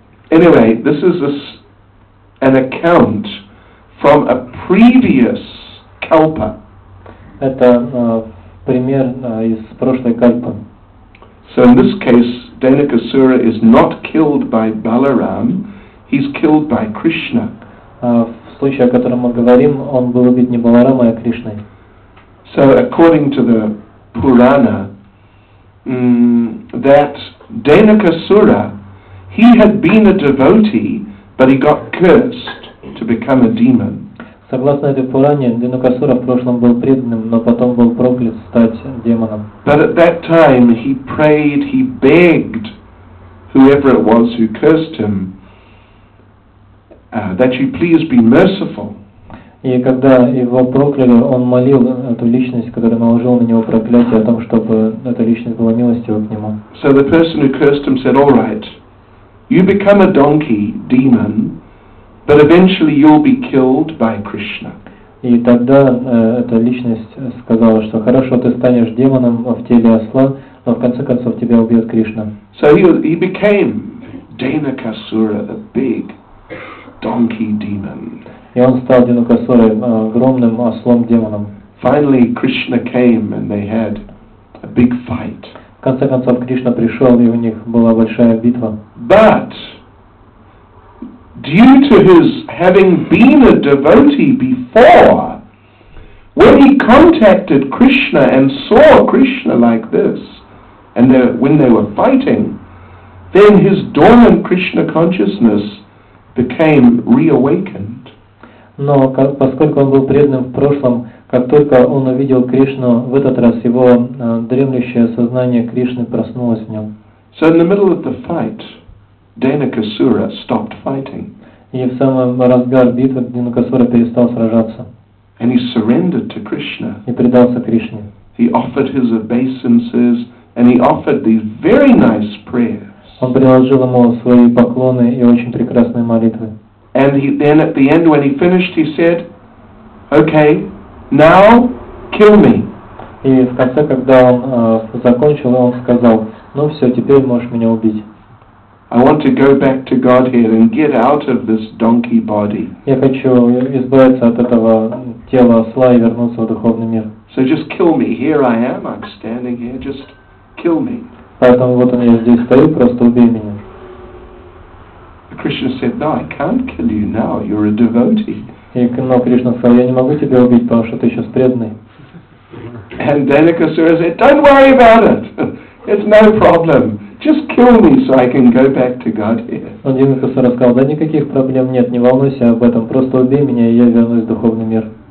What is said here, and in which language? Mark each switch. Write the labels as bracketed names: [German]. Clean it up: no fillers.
[English] Anyway, this is an account from a previous kalpa. [Russian] Это пример из прошлой кальпы. [English] So in this case, Dainukasura is not killed by Balaram; he's killed by Krishna. [Russian] В случае, о котором мы говорим, он был убит не Баларамой, а Кришной. [English] So according to the Purana, that Dainukasura, he had been a devotee, but he got cursed to become a demon. [Russian] Согласно этой Пуране, Дейнукасура в прошлом был преданным, но потом был проклят стать демоном. [English] But at that time he prayed, he begged whoever it was who cursed him, that you please be merciful. [Russian] И когда его прокляли, он молил эту личность, которая наложила на него проклятие, о том, чтобы эта личность была милостива к нему. [English] So the person who cursed him said, all right, you become a donkey, demon, but eventually you'll be killed by Krishna. [Russian] И тогда эта личность сказала, что хорошо, ты станешь демоном в теле осла, но в конце концов тебя убьет Кришна. [English] So he became Dainukasura, a big donkey demon. [Russian] И он стал Дейнукасурой, огромным ослом-демоном. [English] Finally, Krishna came and they had a big fight. [Russian] В конце концов, Кришна пришел, и у них была большая битва. [English] But due to his having been a devotee before, when he contacted Krishna and saw Krishna like this, and when they were fighting, then his dormant Krishna consciousness became reawakened. [Russian] Но поскольку он был преданным в прошлом, как только он увидел Кришну, в этот раз его дремлющее сознание Кришны проснулось в нем. [English] So in the middle of the fight, Dainakasura stopped fighting. [Russian] И в самом разгар битвы Дейнакасура перестал сражаться. [English] And he surrendered to Krishna. [Russian] И предался Кришне. [English] He offered his obeisances and he offered these very nice prayers. [Russian] Он приложил ему свои поклоны и очень прекрасные молитвы. [English] And he, then at the end, when he finished, he said, "Okay, now kill me." [Russian] И в конце, когда он закончил, он сказал: "Ну все, теперь можешь меня убить." [English] I want to go back to Godhead and get out of this donkey body. [Russian] Я хочу избавиться от этого тела осла и вернуться в духовный мир. [English] So just kill me. Here I am. I'm standing here. Just kill me. [Russian] Поэтому вот он, я здесь стою, просто убей меня. [English] Krishna said, "No, I can't kill you now. You're a devotee." [Russian] Но Кришна сказал, я не могу тебя убить, потому что ты сейчас преданный. [English] And Dainakasura said, "Don't worry about it. It's no problem. Just kill me, so I can go back to Godhead." [Russian] Дейнакасура сказал, да никаких проблем нет, не волнуйся об этом. Просто убей меня, и я вернусь в духовный мир.